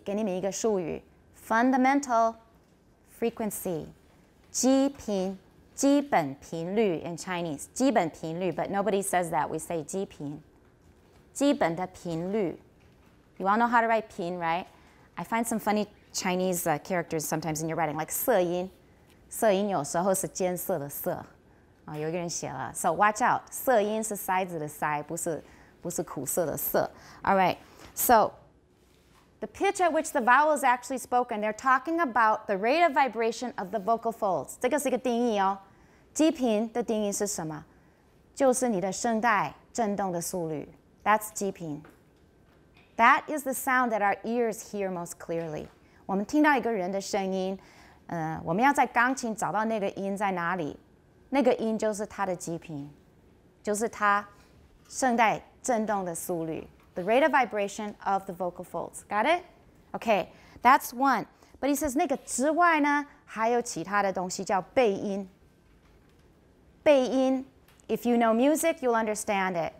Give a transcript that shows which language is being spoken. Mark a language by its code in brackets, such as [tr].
[zh] 给你们一个术语 Fundamental frequency. [en] 基频基本频率 in Chinese, 基本频率 but nobody says that, we say 基频。 [zh] 基本的频率。 [en] You all know how to write 频, right? I find some funny Chinese characters sometimes in your writing, like 色音。 [zh] 色音有时候是尖色的色。哦、有一个人写了。 [en] So watch out, [zh] 色音是塞子的塞不是苦涩的涩。 [en] All right, so the pitch at which the vowel is actually spoken, they're talking about the rate of vibration of the vocal folds. [zh] 这个是一个定义哦。基频的定义是什么？就是你的声带振动的速率。 [en] That's 基频。 That is the sound that our ears hear most clearly. [zh] 我们听到一个人的声音，我们要在钢琴找到那个音在哪里，那个音就是他的基频，就是他声带振动的速率。 [en] The rate of vibration of the vocal folds. Got it? Okay, that's one. But he says, [zh] 那个之外呢，还有其他的东西叫倍音。 [en] 倍音 if you know music, you'll understand it.